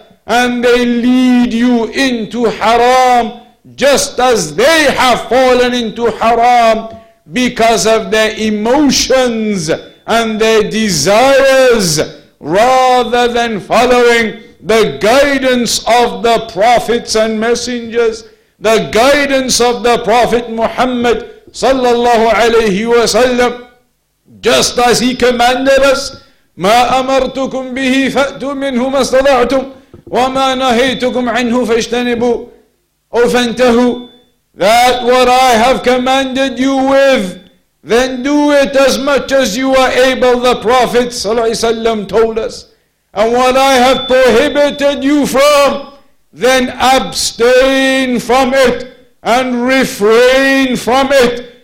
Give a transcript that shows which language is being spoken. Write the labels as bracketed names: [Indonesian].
[English] and they lead you into haram, just as they have fallen into haram because of their emotions and their desires, rather than following the guidance of the prophets and messengers, the guidance of the Prophet Muhammad sallallahu alayhi wa sallam, just as he commanded us, [Arabic] ما أمرتكم به فأتوا منه ما استطعتم وما نهيتكم عنه فاجتنبوا أو فانتهوا. [English] That what I have commanded you with, then do it as much as you are able, the Prophet صلى الله عليه وسلم told us. And what I have prohibited you from, then abstain from it and refrain from it.